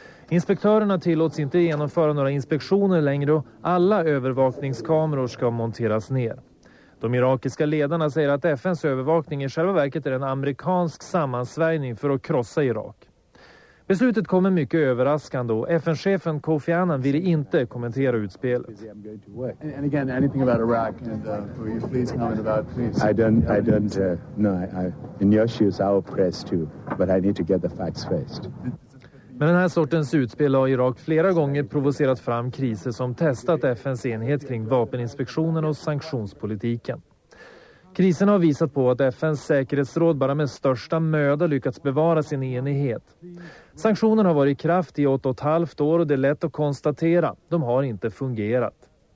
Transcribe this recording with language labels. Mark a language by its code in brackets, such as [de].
[sv] Inspektörerna tillåts inte genomföra några inspektioner längre och alla övervakningskameror ska monteras ner. De irakiska ledarna säger att FNs övervakning i själva verket är en amerikansk sammansvärjning för att krossa Irak. Beslutet kommer mycket överraskande och FN-chefen Kofi Annan ville inte kommentera utspelet. [en] And again, anything about Iraq and will you please comment about please? In your shoes I will press too, but I need to get the facts first. [sv] Men den här sortens utspel har Irak flera gånger provocerat fram kriser som testat FNs enhet kring vapeninspektionen och sanktionspolitiken. Krisen har visat på att FNs säkerhetsråd bara med största möda lyckats bevara sin enighet. Sanktionerna har varit i kraft i 8,5 år och det är lätt att konstatera, de har inte fungerat.